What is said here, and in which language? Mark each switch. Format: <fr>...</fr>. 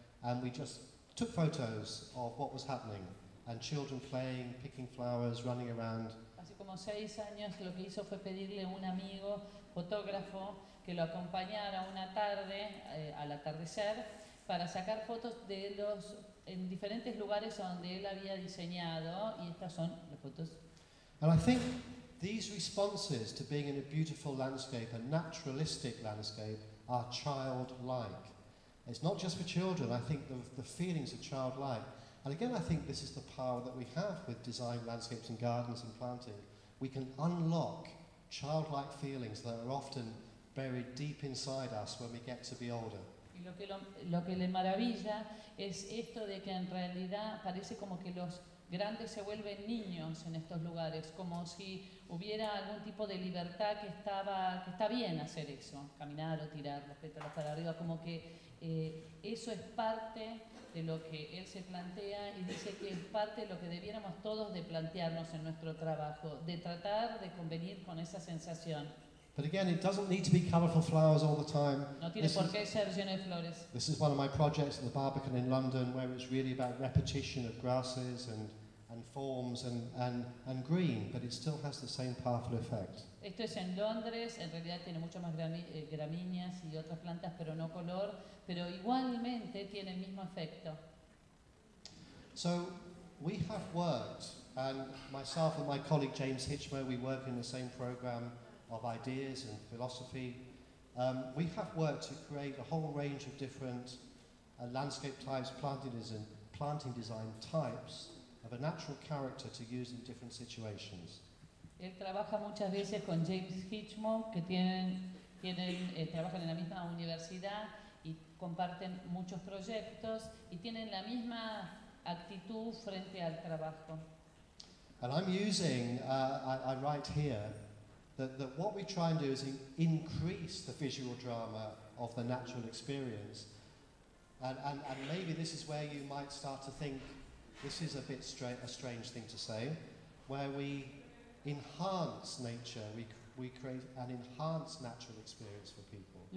<en>and we just took photos of what was happening and children playing, picking flowers, running around.</en> <es>Así como 6 años, lo que hizo fue pedirle a un amigo fotógrafo que lo acompañara una tarde, al atardecer, para sacar fotos de los en diferentes lugares donde él había diseñado, y estas son las fotos.</es> <en>And I think these responses to being in a beautiful landscape, a naturalistic landscape, are childlike. It's not just for children, I think the feelings are childlike. And again, I think this is the power that we have with design landscapes and gardens and planting. We can unlock childlike feelings that are often buried deep inside us when we get to be older.</en> <es>Y lo que le maravilla es esto de que en realidad parece como que los grandes se vuelven niños en estos lugares, como si hubiera algún tipo de libertad que está bien hacer eso, caminar o tirar los pétalos para arriba, como que eso es parte de lo que él se plantea y dice que es parte de lo que debiéramos todos de plantearnos en nuestro trabajo, de tratar de convenir con esa sensación.</es> <en>But again, it doesn't need to be colorful flowers all the time.</en> <es>No tiene por qué ser lleno de flores.</es> <en>This is one of my projects at the Barbican in London, where it's really about repetition of grasses and forms and green, but it still has the same powerful effect.</en> <es>Esto es en Londres, en realidad tiene mucho más gramíneas y otras plantas, pero no color, pero igualmente tiene el mismo efecto.</es> <en>So we have worked, and myself and my colleague James Hitchmer, we work in the same program of ideas and philosophy. We have worked to create a whole range of different landscape types, planting design types of a natural character to use in different situations.</en> <es>Él trabaja muchas veces con James Hitchmore, que trabajan en la misma universidad y comparten muchos proyectos y tienen la misma actitud frente al trabajo.</es> <en>And I'm using, I write here, that what we try and do is increase the visual drama of the natural experience. And maybe this is where you might start to think, this is a bit a strange thing to say, where we enhance nature, we create an enhanced natural experience for people.</en>